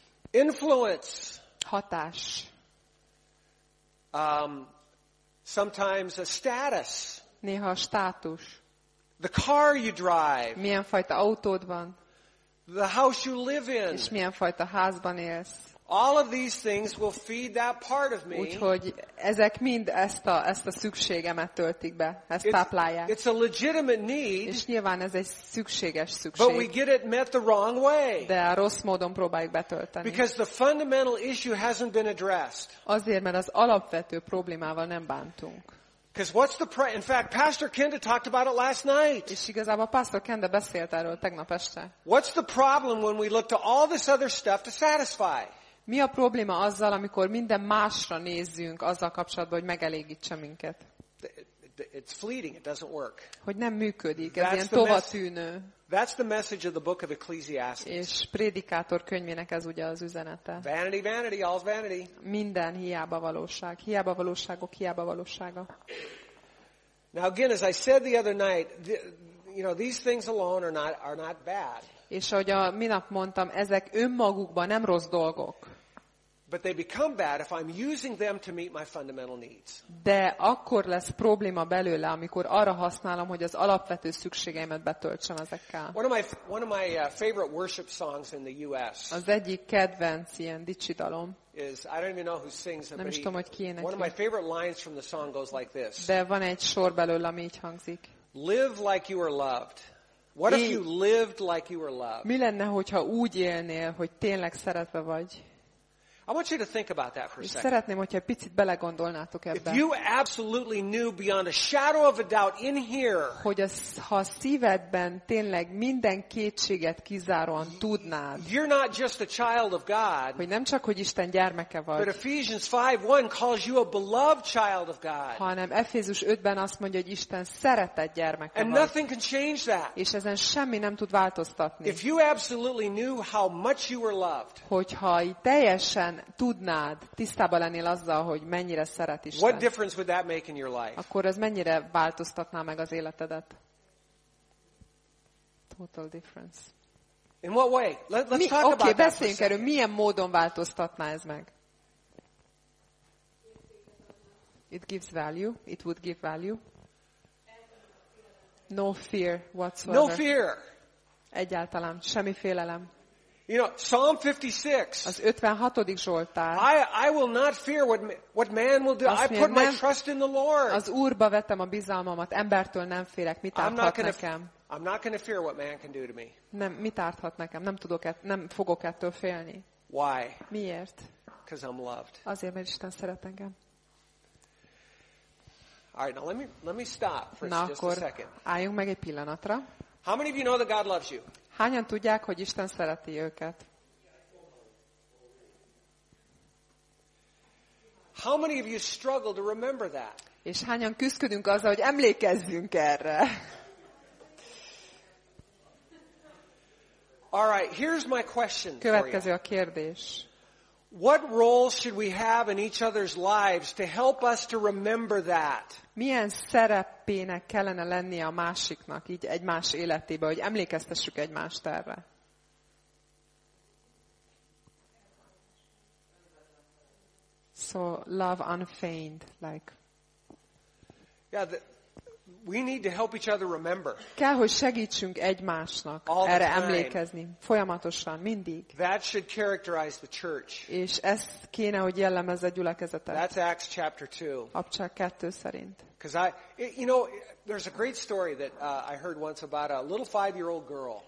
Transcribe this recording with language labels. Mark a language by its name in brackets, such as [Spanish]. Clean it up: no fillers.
[English] Influence. [Hungarian] Hatás. [English] Sometimes a status. [Hungarian] Néha a státus. [English] The car you drive. [Hungarian] Milyen fajta autód van. [English] The house you live in. [Hungarian] És milyen fajta házban élsz. [English] All of these things will feed that part of me. [Hungarian] Úgyhogy ezek mind ezt a szükségemet töltik be, ezt táplálják. [English] It's a legitimate need. [Hungarian] És nyilván ez egy szükséges szükség. [English] But we get it met the wrong way. [Hungarian] De a rossz módon próbáljuk betölteni. [English] Because the fundamental issue hasn't been addressed. [Hungarian] Azért, mert az alapvető problémával nem bántunk. [English] Because what's the price? In fact, Pastor Kenda talked about it last night. [Hungarian] És igazából Pastor Kenda beszélt erről tegnap este. [English] What's the problem when we look to all this other stuff to satisfy? [Hungarian] Mi a probléma azzal, amikor minden másra nézzünk azzal kapcsolatban, hogy megelégítse minket? [English] It's fleeting. It doesn't work. [Hungarian] Hogy nem működik. Ez ilyen tovatűnő. [English] That's the message of the book of Ecclesiastes. [Hungarian] És Prédikátor könyvének ez ugye az üzenete. [English] Vanity, vanity, all's vanity. [Hungarian] Minden hiába valóság. Hiába valóságok, hiába valósága. [English] Now again, as I said the other night, you know, these things alone are not bad. [Hungarian] És ahogy a minap mondtam, ezek önmagukban nem rossz dolgok. [English] But they become bad if I'm using them to meet my fundamental needs. [Hungarian] De akkor lesz probléma belőle, amikor arra használom, hogy az alapvető szükségeimet betöltsem ezekkel. [English] One of my favorite worship songs in the US. [Hungarian] Az egyik kedvenc ilyen dicsidalom. [English] Is I don't even know who sings them. [Hungarian] Nem is tudom, hogy ki énekli. [English] One of my favorite lines from the song goes like this. [Hungarian] De van egy sor belőle, ami így hangzik. [English] Live like you are loved. What if you lived like you were loved? [Hungarian] Mi lenne, hogyha úgy élnél, hogy tényleg szeretve vagy? [English] I want you to think about that for a second. [Hungarian] Szeretném, hogyha picit belegondolnátok ebbe. [English] If you absolutely knew beyond a shadow of a doubt in here, [Hungarian] hogy ha a szívedben tényleg minden kétséget kizáróan tudnád, [English] you're not just a child of God, [Hungarian] hogy nem csak, hogy Isten gyermeke vagy, [English] but Ephesians 5:1 calls you a beloved child of God, [Hungarian] hanem Efézus 5-ben azt mondja, hogy Isten szeretett gyermeke vagy, [English] and nothing can change that. [Hungarian] És ezen semmi nem tud változtatni. [English] If you absolutely knew how much you were loved, [Hungarian] hogyha teljesen tudnád, tisztában lennél azzal, hogy mennyire szeret Isten. [English] What difference would that make in your life? [Hungarian] Akkor ez mennyire változtatná meg az életedet? [English] Total difference. In what way? Let's talk about that. [Hungarian] Oké, beszéljünk erről, milyen módon változtatná ez meg? [English] It gives value. It would give value. No fear whatsoever. No fear. [Hungarian] Egyáltalán semmi félelem. [English] You know, Psalm 56. [Hungarian] Az 56. Zsoltár. [English] I will not fear what man will do. I put my trust in the Lord. [Hungarian] Az Úrba vettem a bizalmamat, embertől nem félek, mit árthat nekem. [English] I'm not going to fear what man can do to me. [Hungarian] Nem, mit árthat nekem? Nem fogok ettől félni. [English] Why? [Hungarian] Miért? [English] Because I'm loved. [Hungarian] Azért, mert Isten szeret engem. [English] All right, now let me stop for na just [Hungarian] akkor [English] a second. [Hungarian] Álljunk meg egy pillanatra. [English] How many of you know that God loves you? [Hungarian] Hányan tudják, hogy Isten szereti őket? [English] How many of you struggle to remember that? [Hungarian] És hányan küzdünk azzal, hogy emlékezzünk erre? [English] All right, here's my question. [Hungarian] Következő a kérdés. [English] What role should we have in each other's lives to help us to remember that? [Hungarian] Milyen szerepének kellene lennie a másiknak, így egymás életébe, hogy emlékeztessük egymást erre? [English] So love unfeigned, like. Yeah, we need to help each other remember. [Hungarian] Kell, hogy segítsünk egymásnak erre emlékezni folyamatosan, mindig. [English] That should characterize the church. [Hungarian] És ez kéne, hogy jellemezze a gyülekezetet. [English] That's Acts chapter 2. [Hungarian] Apcsák 2 szerint. [English] Because there's a great story that I heard once about a little 5-year-old girl.